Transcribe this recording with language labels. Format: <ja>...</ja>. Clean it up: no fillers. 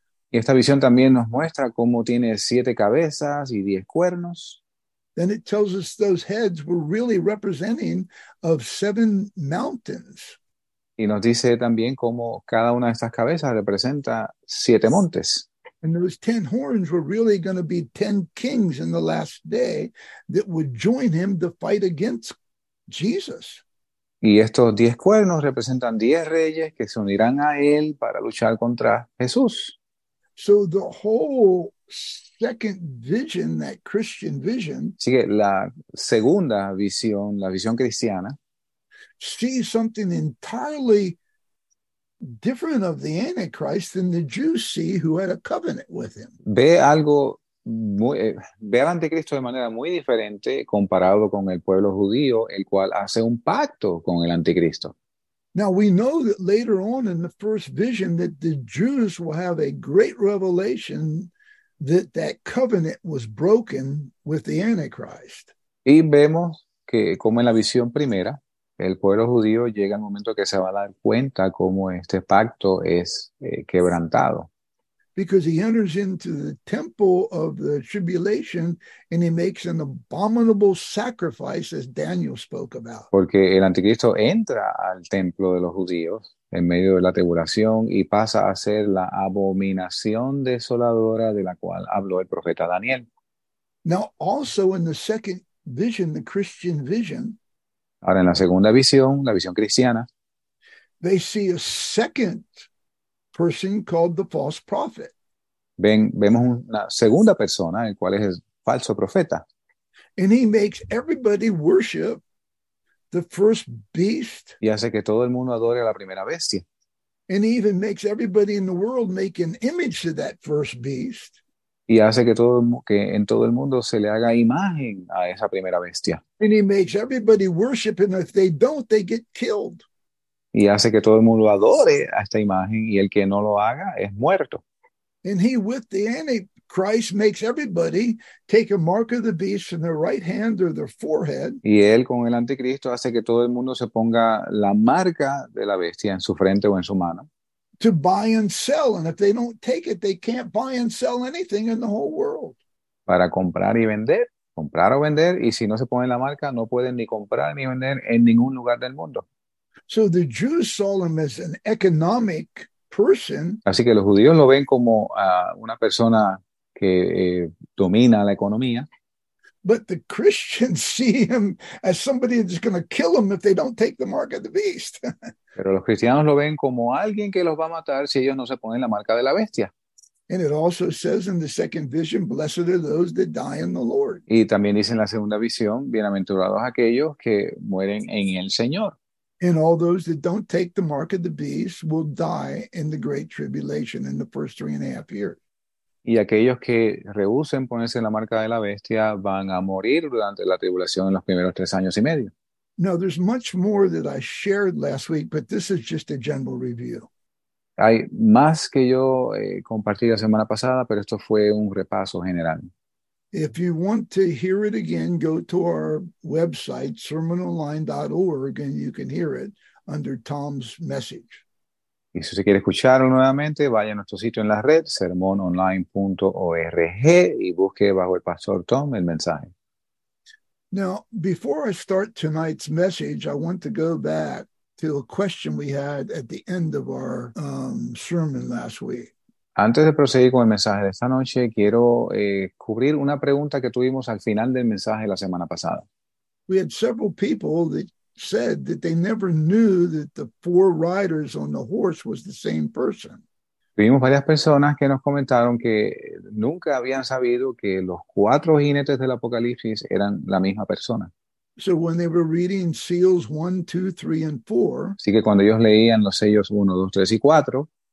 <es>Y esta visión también nos muestra cómo tiene 7 cabezas y 10 cuernos.</es> <en>Then it tells us those heads were really representing of 7 mountains.</en> <es>Y nos dice también cómo cada una de estas cabezas representa 7 montes.</es> <en>And those 10 horns were really going to be 10 kings in the last day that would join him to fight against Jesus.</en> <es>Y estos 10 cuernos representan 10 reyes que se unirán a él para luchar contra Jesús.</es> <en>So the whole second vision, that Christian vision,</en> <es>sigue la segunda visión, la visión cristiana,</es> <en>sees something entirely different of the Antichrist than the Jews see, who had a covenant with him.</en> <es>Ve al anticristo de manera muy diferente comparado con el pueblo judío, el cual hace un pacto con el anticristo.</es> <en>Now we know that later on in the first vision that the Jews will have a great revelation that covenant was broken with the Antichrist.</en> <es>Y vemos que como en la visión primera, el pueblo judío llega al momento que se va a dar cuenta cómo este pacto es quebrantado.</es> <en>because he enters into the temple of the tribulation and he makes an abominable sacrifice, as Daniel spoke about.</en> <es>Porque el anticristo entra al templo de los judíos en medio de la tribulación y pasa a ser la abominación desoladora de la cual habló el profeta Daniel.</es> <en>Now, also in the second vision, the Christian vision,</en> <es>ahora en la segunda visión, la visión cristiana,</es> <en>they see a second person called the false prophet.</en> <es>Vemos una segunda persona, el cual es el falso profeta.</es> <en>And he makes everybody worship the first beast.</en> <es>Y hace que todo el mundo adore a la primera bestia.</es> <en>And he even makes everybody in the world make an image to that first beast.</en> <es>Y hace que en todo el mundo se le haga imagen a esa primera bestia.</es> <en>And he makes everybody worship, and if they don't, they get killed.</en> <es>Y hace que todo el mundo adore a esta imagen, y el que no lo haga es muerto.</es> <en>And he, with the Antichrist, makes everybody take a mark of the beast in their right hand or their forehead.</en> <es>Y él, con el anticristo, hace que todo el mundo se ponga la marca de la bestia en su frente o en su mano.</es> <en>To buy and sell, and if they don't take it, they can't buy and sell anything in the whole world.</en> <es>Para comprar y vender, comprar o vender, y si no se ponen la marca, no pueden ni comprar ni vender en ningún lugar del mundo.</es> <en>So the Jews saw him as an economic person.</en> <es>Así que los judíos lo ven como una persona que domina la economía.</es> <en>But the Christians see him as somebody that's going to kill them if they don't take the mark of the beast.</en> <es>Pero los cristianos lo ven como alguien que los va a matar si ellos no se ponen la marca de la bestia.</es> <en>And it also says in the second vision, blessed are those that die in the Lord.</en> <es>Y también dice en la segunda visión, bienaventurados aquellos que mueren en el Señor.</es> <en>And all those that don't take the mark of the beast will die in the great tribulation in the first 3.5 years.</en> <es>Y aquellos que rehúsen ponerse la marca de la bestia van a morir durante la tribulación en los primeros 3 años y medio.</es> <en>Now, there's much more that I shared last week, but this is just a general review.</en> <es>Hay más que yo compartí la semana pasada, pero esto fue un repaso general.</es> <en>If you want to hear it again, go to our website, sermononline.org, and you can hear it under Tom's message.</en> <es>Y si usted quiere escucharlo nuevamente, vaya a nuestro sitio en la red, sermononline.org, y busque bajo el pastor Tom el mensaje.</es> <en>Now, before I start tonight's message, I want to go back to a question we had at the end of our sermon last week.</en> <es>Antes de proseguir con el mensaje de esta noche, quiero cubrir una pregunta que tuvimos al final del mensaje la semana pasada.</es> <en>We had several people that said that they never knew that the four riders on the horse was the same person.</en> <es>Tuvimos varias personas que nos comentaron que nunca habían sabido que los cuatro jinetes del Apocalipsis eran la misma persona.</es> <en>So when they were reading seals 1, 2, 3, and 4,</en> <es>así que cuando ellos leían los sellos 1, 2, 3 y 4,</es>